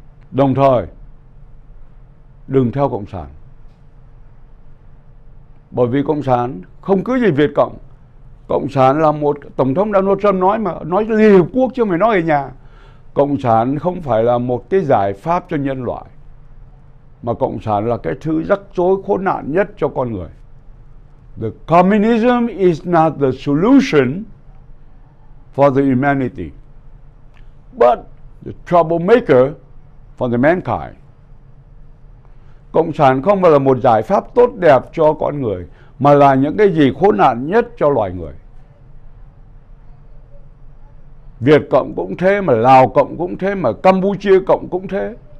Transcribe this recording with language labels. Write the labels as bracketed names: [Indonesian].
[Vietnamese] Đồng thời đừng theo Cộng sản, bởi vì Cộng sản không cứ gì Việt Cộng. Cộng sản là một, Tổng thống Donald Trump nói mà, nói Liên Hiệp Quốc chứ không phải nói ở nhà. Cộng sản không phải là một cái giải pháp cho nhân loại, mà Cộng sản là cái thứ rắc rối khốn nạn nhất cho con người. [English] The communism is not the solution for the humanity, but the troublemaker for the mankind. [Vietnamese] Cộng sản không phải là một giải pháp tốt đẹp cho con người, mà là những cái gì khốn nạn nhất cho loài người. Việt Cộng cũng thế, mà Lào Cộng cũng thế, mà Campuchia Cộng cũng thế.